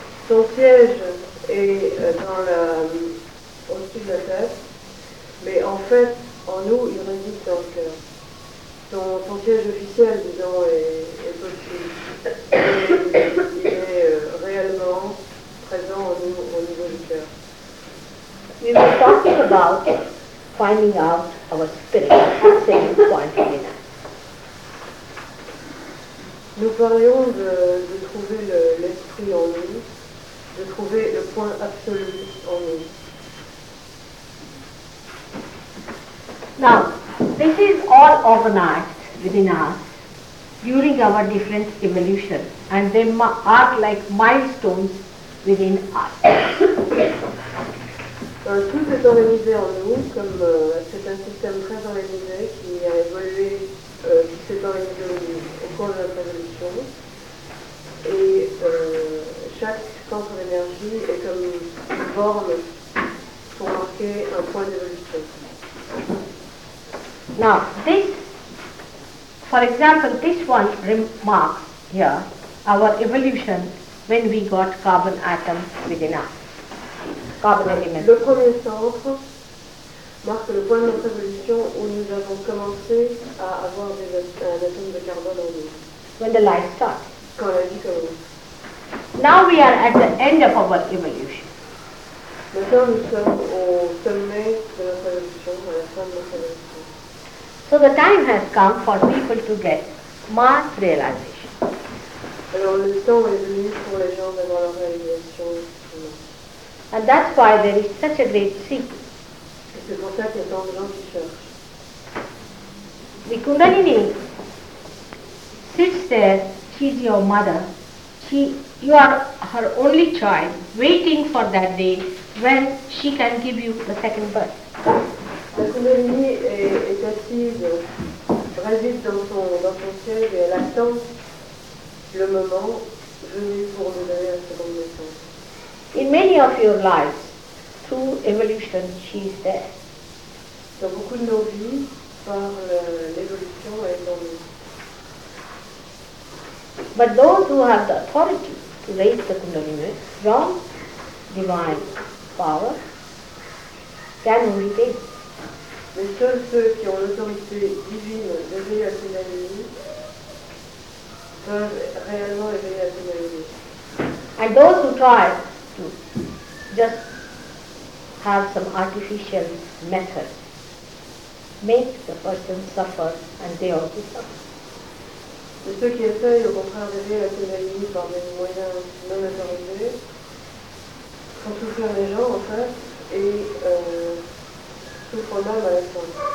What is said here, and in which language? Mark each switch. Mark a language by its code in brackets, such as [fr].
[fr] son siège est dans la, au-dessus de la tête, mais en fait, en nous, il réside dans le cœur. Son siège officiel, disons, est possible. Il est réellement présent en nous, au niveau du cœur. [en] We were talking about finding out our spirit at the same point in us. [fr] Nous parlions de trouver l'esprit en nous, de trouver le point absolu en nous. [en] Now, this is all organized within us during our different evolution, and they are like milestones within us. [fr] Tout est organisé en nous, comme c'est un système très organisé qui a évolué, qui s'est organisé au cours de notre évolution. Et chaque centre d'énergie est comme une borne pour marquer un point d'évolution. [en] Now, this, for example, this one remarks here our evolution when we got carbon atom within us. [fr] Le premier centre marque le point de notre évolution où nous avons commencé à avoir un atome de carbone en nous. [en] When the life starts. [fr] Quand la vie commence. [en] Now we are at the end of our evolution. [fr] Maintenant nous sommes au sommet de notre évolution, à la fin de notre évolution. [en] So the time has come for people to get mass realization. [fr] Alors le temps est venu pour les gens d'avoir leur réalisation. [en] And that's why there is such a great secret. [fr] C'est pour ça qu'il y a tant de gens qui cherchent. [en] The Kundalini sits there, she's your mother. You are her only child, waiting for that day when she can give you the second birth. [fr] La Kundalini est assise, réside dans son ciel et elle attend le moment venu pour nous donner la seconde naissance. [en] In many of your lives, through evolution, she is there. [fr] Dans beaucoup de nos vies, par l'évolution, elle est en nous. [en] But those who have the authority to raise the Kundalini from divine power can only take. [fr] Mais seuls ceux qui ont l'autorité divine d'éveiller la Kundalini peuvent réellement éveiller la Kundalini. [en] And those who try just have some artificial method make the person suffer and they also suffer. [fr] Ceux qui essayent au contraire d'éveiller la Kundalini par des moyens non autorisés font souffrir les gens en fait et souffrent même à la fin.